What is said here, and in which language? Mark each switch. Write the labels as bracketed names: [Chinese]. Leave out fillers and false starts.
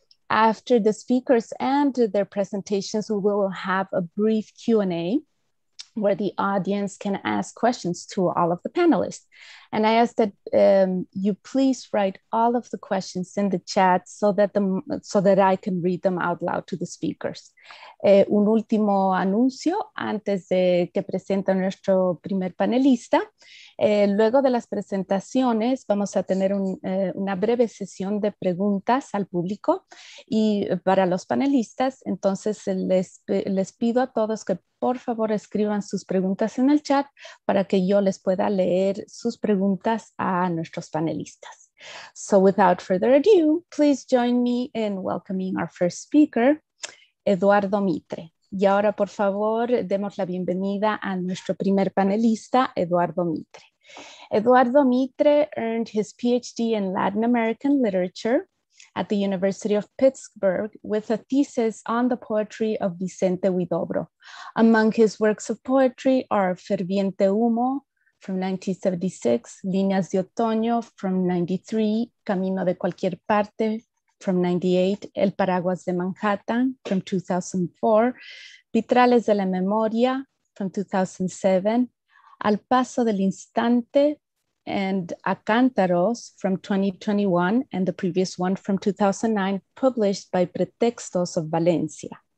[English] After the speakers and their presentations, we will have a brief Q&A where the audience can ask questions to all of the panelists. And I ask that you please write all of the questions in the chat so that I can read them out loud to the speakers. [Spanish] Un último anuncio antes de que presente nuestro primer panelista. Luego de las presentaciones, vamos a tener una breve sesión de preguntas al público y para los panelistas. Entonces, les pido a todos que por favor escriban sus preguntas en el chat para que yo les pueda leer sus preguntas a nuestros panelistas. [English] So, without further ado, please join me in welcoming our first speaker, Eduardo Mitre. [Spanish] Y ahora, por favor, demos la bienvenida a nuestro primer panelista, Eduardo Mitre. [English] Eduardo Mitre earned his PhD in Latin American literature at the University of Pittsburgh with a thesis on the poetry of Vicente Huidobro. Among his works of poetry are Ferviente Humo from 1976, Líneas de Otoño from 93, Camino de Cualquier Parte from 98, El Paraguas de Manhattan from 2004, Vitrales de la Memoria from 2007, Al Paso del Instante and Acántaros from 2021 and the previous one from 2009, published by Pretextos of Valencia.